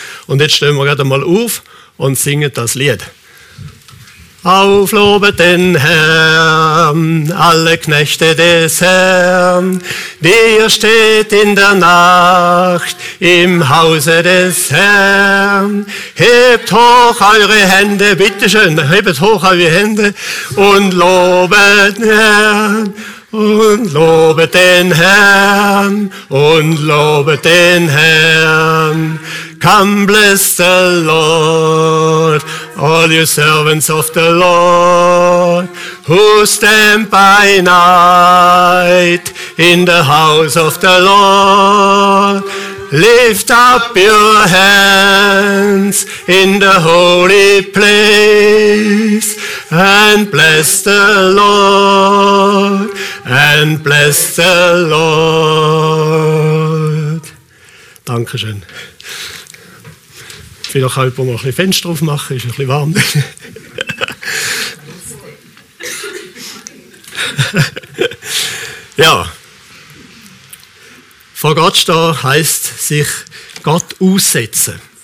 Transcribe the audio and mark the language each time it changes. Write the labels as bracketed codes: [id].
[de] Und jetzt stehen wir gerade mal auf und singen das Lied. Auf lobet den Herrn, alle Knechte des Herrn, die ihr steht in der Nacht im Hause des Herrn. Hebt hoch eure Hände, bitteschön, hebt hoch eure Hände und lobet den Herrn, und lobet den Herrn, und lobet den Herrn. [en] Come bless the Lord, all you servants of the Lord, who stand by night in the house of the Lord. Lift up your hands in the holy place and bless the Lord, and bless the Lord. [de] Dankeschön. Vielleicht kann jemand noch ein bisschen Fenster aufmachen, ist ein bisschen warm. Ja. Vor Gott stehen heisst, sich Gott aussetzen.